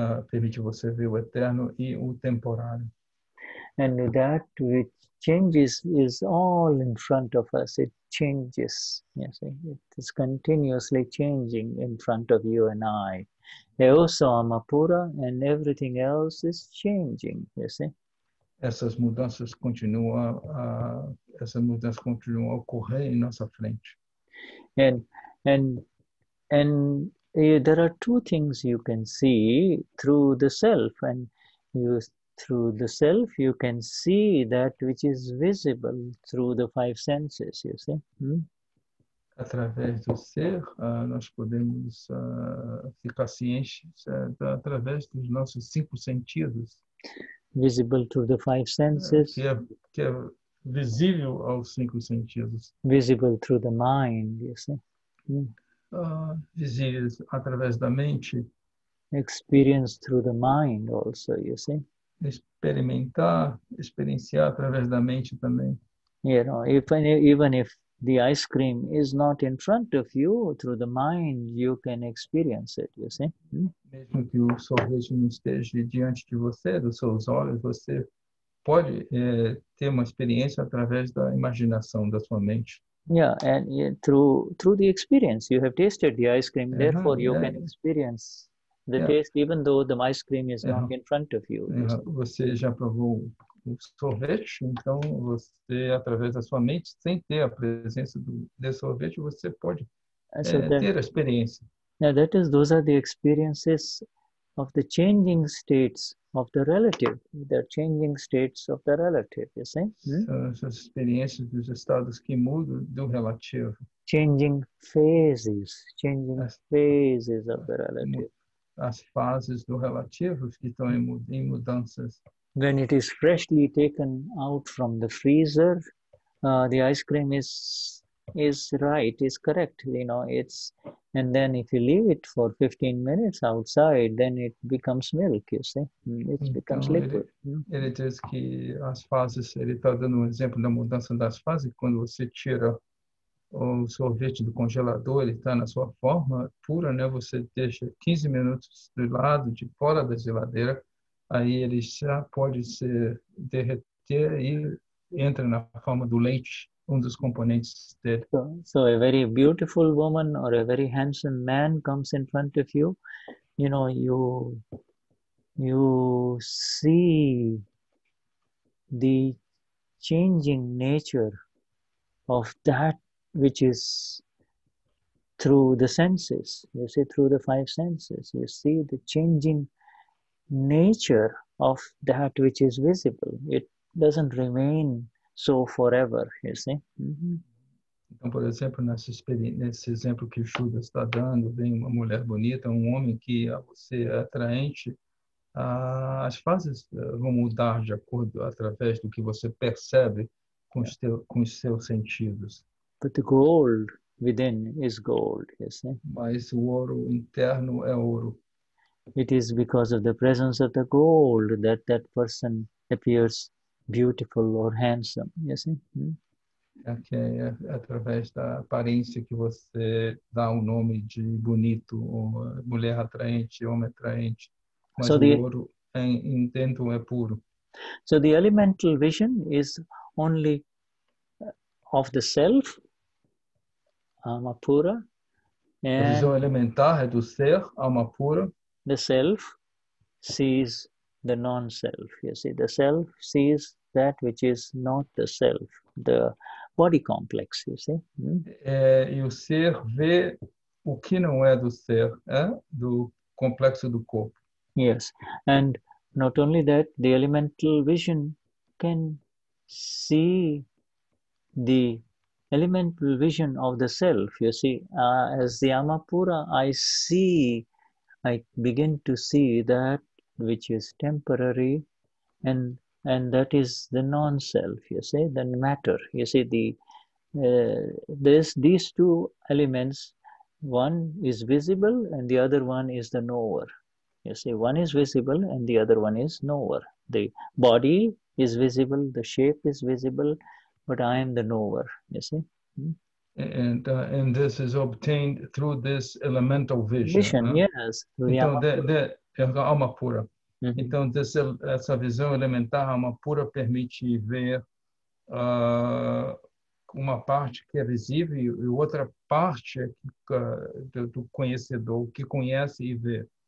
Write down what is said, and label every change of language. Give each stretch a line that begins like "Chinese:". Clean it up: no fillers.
Portuguese: Permite você ver o eterno e o temporário.
English: And that which changes is all in front of us. It changes. You see? It is continuously changing in front of you and I.
Portuguese: Eu sou Amapura
English: and everything else is changing. You see?
Portuguese: Essas mudanças continuam a ocorrer em nossa frente.
English: And there are two things you can see through the self and you. Through the self, you can see that which is visible through the five senses, you see.
Portuguese: Através do ser, nós podemos ficar cientes através dos nossos cinco sentidos.
English: Visible through the five senses.
Portuguese: Que é visível aos cinco sentidos.
English: Visible through the mind, you see.
Portuguese: Visível através da mente.
English: Experience through the mind also, you see.
Portuguese: Experimentar, experienciar através da mente também.
English: You know, even if the ice cream is not in front of you, through the mind you can experience it, you see?
Portuguese: Mesmo que o sorvete não esteja diante de você, dos seus olhos, você pode ter uma experiência através da imaginação da sua mente.
English: Yeah, and through the experience. You have tasted the ice cream, therefore you can experience the taste, even though the ice cream is not in front of you.
Portuguese: Você já provou o sorvete, então você, através da sua mente, sem ter a presença do sorvete, você pode ter a experiência.
English: Yeah, that is, those are the experiences of the changing states of the relative. The changing states of the relative, you see?
Portuguese: São as experiências dos estados que mudam do relativo.
English: Changing phases of the relative.
Portuguese: As fases do relativo que estão em mudanças.
English: When it is freshly taken out from the freezer, the ice cream is right, is correct, you know, it's, and then if you leave it for 15 minutes outside, then it becomes milk, you see, it becomes liquid.
Portuguese: Ele diz que as fases, ele está dando um exemplo da mudança das fases, quando você tira o sorvete do congelador, ele está na sua forma pura, né? Você deixa 15 minutos do lado, de fora da geladeira, aí ele já pode se derreter e entra na forma do leite, um dos componentes dele.
English: So a very beautiful woman or a very handsome man comes in front of you, you know, you see the changing nature of that which is through the senses, you see, through the five senses. You see the changing nature of that which is visible. It doesn't remain so forever, you see.
Portuguese: Então, por exemplo, nesse exemplo que o Shuddha está dando, vem uma mulher bonita, um homem que a você é atraente, as fases vão mudar de acordo através do que você percebe com os seus sentidos.
English: But the gold within is gold, you see.
Portuguese: Mas o ouro interno é ouro.
English: It is because of the presence of the gold that that person appears beautiful or handsome, you see.
Portuguese: Okay, é através da aparência que você dá o nome de bonito, ou mulher atraente, homem atraente. Mas ouro dentro é puro.
English: So the elemental vision is only of the self. Amapura.
Portuguese: A visão elementar é do ser, Amapura.
English: The self sees the non-self. You see, the self sees that which is not the self. The body complex, you see.
Portuguese: É, e o ser vê o que não é do ser, é? Do complexo do corpo.
English: Yes, and not only that, the elemental vision can see the elemental vision of the self. You see, as the Amapura, I begin to see that which is temporary, and that is the non-self, you see, the matter. You see, these two elements, one is visible and the other one is the knower. You see, one is visible and the other one is knower. The body is visible, the shape is visible, but I am the knower, you see. And this is obtained through this elemental vision. Vision, huh? Yes.
Portuguese: Então, alma pura. Uhum. Então, essa visão elementar, a alma pura, permite ver uma parte que é visível e outra parte do conhecedor, que conhece e vê.